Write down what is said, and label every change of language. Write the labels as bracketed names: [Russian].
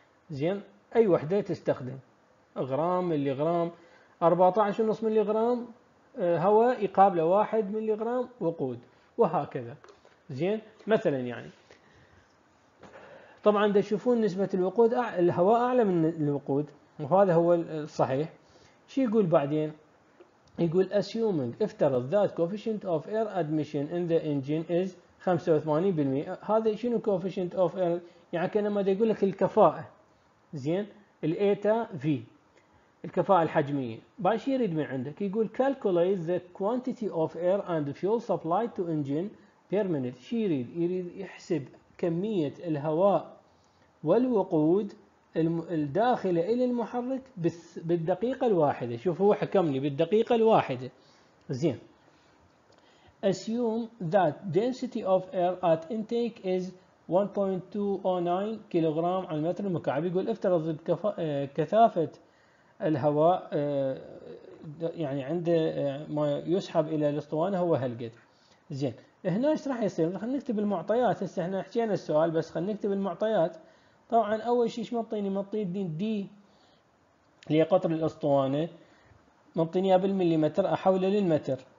[Arabic] زين اي وحده تستخدم غرام ملي غرام، 14.5 ملي غرام هواء يقابل 1 ملي غرام وقود وهكذا. زين مثلا يعني طبعا دا تشوفون نسبة الوقود الهواء اعلى من الوقود وهذا هو الصحيح. شو يقول بعدين؟ يقول [English] assuming [Arabic] افترض [English] that coefficient of air admission in the engine is 85%. [Arabic] هذا شنو [English] coefficient of air؟ [Arabic] يعني كانما دا يقول لك الكفاءة. زين الايتا في الكفاءة الحجمية. بعد شو يريد من عندك؟ يقول [English] calculate the quantity of air and fuel supplied to engine per minute. [Arabic] شو يريد؟ يريد يحسب كمية الهواء والوقود الداخلة إلى المحرك بالدقيقة الواحدة. شوف هو حكم لي بالدقيقة الواحدة. زين [English] assume that density of air at intake is 1.209 [Arabic] كيلوغرام على المتر المكعب. يقول افترض كثافة الهواء يعني عند ما يسحب إلى الاسطوانة هو هالقد. زين هنا ايش راح يصير؟ خلينا نكتب المعطيات. هسه احنا حكينا السؤال بس خلينا نكتب المعطيات. طبعا اول شيء ايش مطيني؟ مطيني دي اللي هي قطر الاسطوانه مطيني اياها بالمليمتر احوله للمتر.